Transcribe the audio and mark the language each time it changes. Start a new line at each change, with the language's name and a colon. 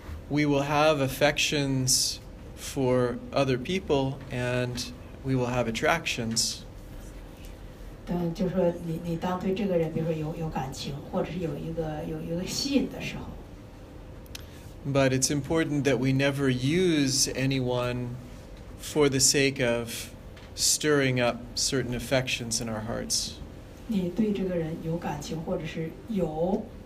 English: We will have affections for other people, and we will have attractions.
Chinese: 就是说你当对这个人，比如说有感情，或者是有一个吸引的时候。
English: But it's important that we never use anyone for the sake of stirring up certain affections in our hearts.
Chinese: 你对这个人有感情，或者是有。